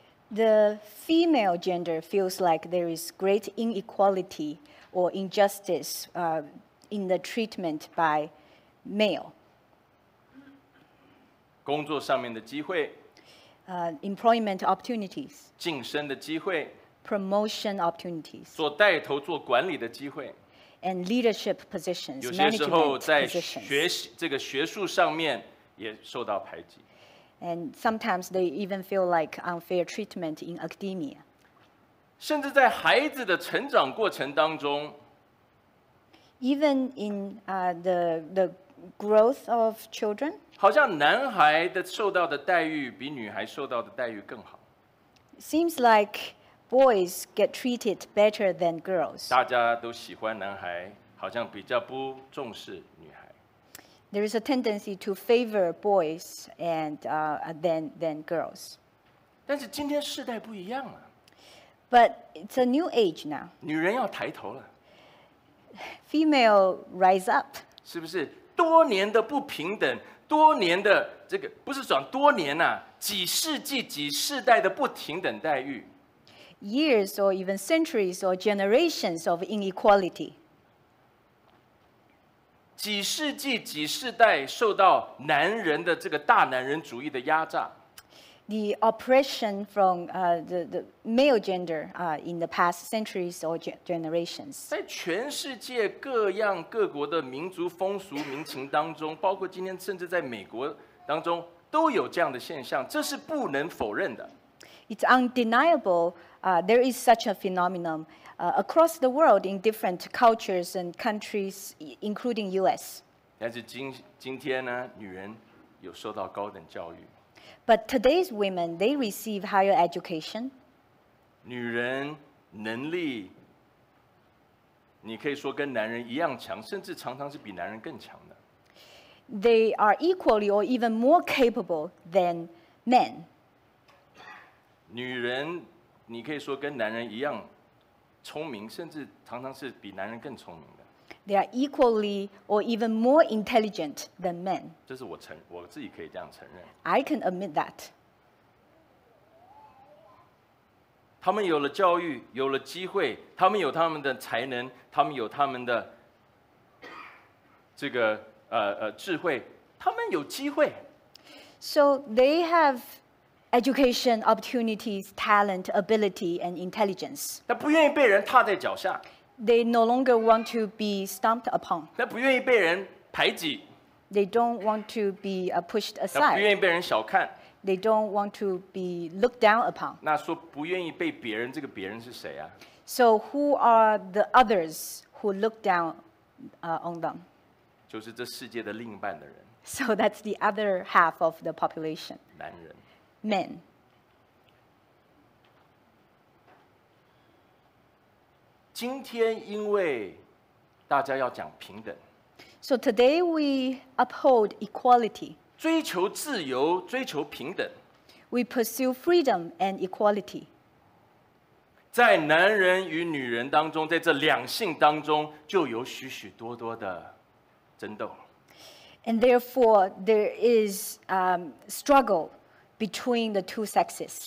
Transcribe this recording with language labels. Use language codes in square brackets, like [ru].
[en] The female gender feels like there is great inequality or injustice, in the treatment by male. [zh] 工作上面的机会。 [en] Employment opportunities. [zh] 晋升的机会。 [en] Promotion opportunities, [zh] 做带头做管理的机会 [en] and leadership positions. [zh] 有些时候在学习这个学术上面也受到排挤 [en] and sometimes they even feel like unfair treatment in academia. [zh] 甚至在孩子的成长过程当中 [en] even in the growth of children, [zh] 好像男孩的受到的待遇比女孩受到的待遇更好 [en] seems likeBoys get treated better than girls. [zh] 大家都喜欢男孩，好像比较不重视女孩。 [en] There is a tendency to favor boys and than girls. [zh] 但是今天世代不一样啊。 [en] But it's a new age now. [zh] 女人要抬头了。 [en] Female rise up. [zh] 是不是多年的不平等，多年的这个不是讲多年呐、啊，几世纪、几世代的不平等待遇。 [en] Years or even centuries or generations of inequality. [zh] 几世纪几世代受到男人的这个大男人主义的压榨。 [en] The oppression from the male gender in the past centuries or generations. [zh] 在全世界各样各国的民族风俗民情当中，包括今天甚至在美国当中都有这样的现象，这是不能否认的。 [en] It's undeniable. There is such a phenomenon across the world in different cultures and countries, including U.S. [zh] 但是今天呢，女人有受到高等教育。 [en] But today's women, they receive higher education. [zh] 女人能力，你可以说跟男人一样强，甚至常常是比男人更强的。 [en] They are equally or even more capable than men. [zh] 女人，你可以说跟男人一样聪明，甚至常常是比男人更聪明的。 [en] They are equally or even more intelligent than men. [zh] 这是我自己可以这样承认。 [en] I can admit that. [zh] 他们有了教育，有了机会，他们有他们的才能，他们有他们的这个智慧，他们有机会。 [en] So they have. Education, opportunities, talent, ability, and intelligence. [zh] 他不愿意被人踏在脚下。 [en] They no longer want to be stomped upon. [zh] 他不愿意被人排挤。 [en] They don't want to be pushed aside. [zh] 他不愿意被人小看。 [en] They don't want to be looked down upon. [zh] 那说不愿意被别人，这个别人是谁啊？ [en] So who are the others who look down on them. [zh] 就是这世界的另一半的人。 [en] So that's the other half of the population. [zh] 男人。 [en] Men. [zh] 今天因为大家要讲平等。 [en] So today we uphold equality. [zh] 追求自由，追求平等。 [en] We pursue freedom and equality. [zh] 在男人与女人当中，在这两性当中，就有许许多多的争斗。 [en] And therefore, there is struggle between the two sexes.